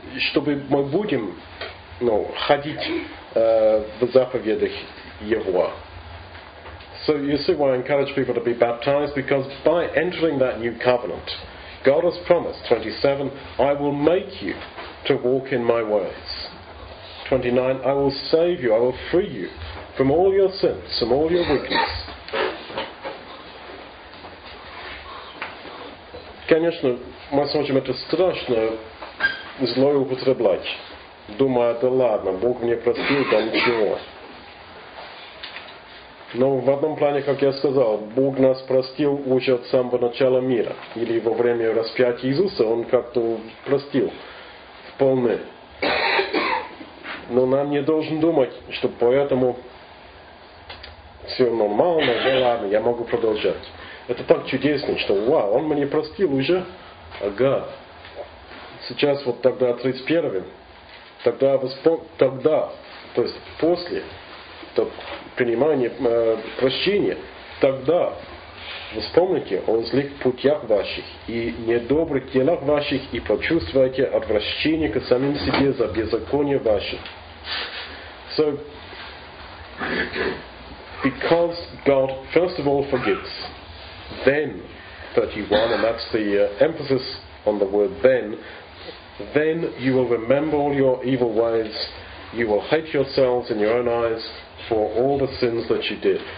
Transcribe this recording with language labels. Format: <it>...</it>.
<ru>Чтобы мы будем ходить в заповедях Его.</ru> <en>So you see why I encourage people to be baptized, because by entering that new covenant, God has promised, 27, I will make you to walk in my ways. 29, I will save you, I will free you from all your sins, from all your wickedness.</en> <ru>Конечно, мы сможем это страшно зло употреблять, думая, да ладно, Бог мне простил, да ничего. Но в одном плане, как я сказал, Бог нас простил уже от самого начала мира. Или во время распятия Иисуса Он как-то простил вполне. Но нам не должен думать, что поэтому все нормально, да ладно, я могу продолжать. Это так чудесно, что вау, Он меня простил уже. Ага. Сейчас вот тогда 31-м, тогда, то есть после то принимания прощения, тогда вспомните о злых путях ваших и недобрых делах ваших и почувствуйте отвращение к самим себе за беззаконие ваше.</ru> <en>So, because God first of all forgives, then, 31, and that's the emphasis on the word then you will remember all your evil ways, you will hate yourselves in your own eyes for all the sins that you did.</en>